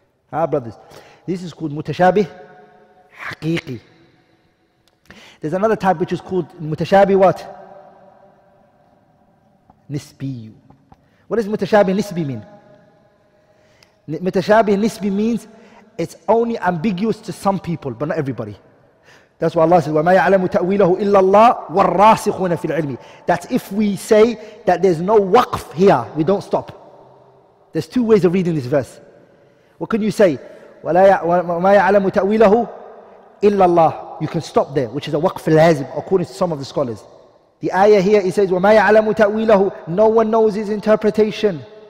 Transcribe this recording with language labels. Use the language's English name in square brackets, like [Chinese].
[English] Ah, brothers, this is called mutashabih haqiqi. There's another type which is called mutashabih what? Nisbi. What does mutashabih nisbi mean? Mutashabih nisbi means it's only ambiguous to some people, but not everybody. That's why Allah says, [Arabic] وَمَا يَعْلَمُ تَأْوِيلَهُ إِلَّا اللَّهُ وَالرَّاسِخُونَ فِي الْعِلْمِ. [English] That's if we say that there's no waqf here, we don't stop. There's two ways of reading this verse. What can you say? [Arabic] وَمَا يَعْلَمُ تَأْوِيلَهُ إِلَّا اللَّهُ. [English] You can stop there, which is a waqf al-azm, according to some of the scholars. The ayah here, it says, [Arabic] وَمَا يَعْلَمُ تَأْوِيلَهُ. [English] No one knows his interpretation.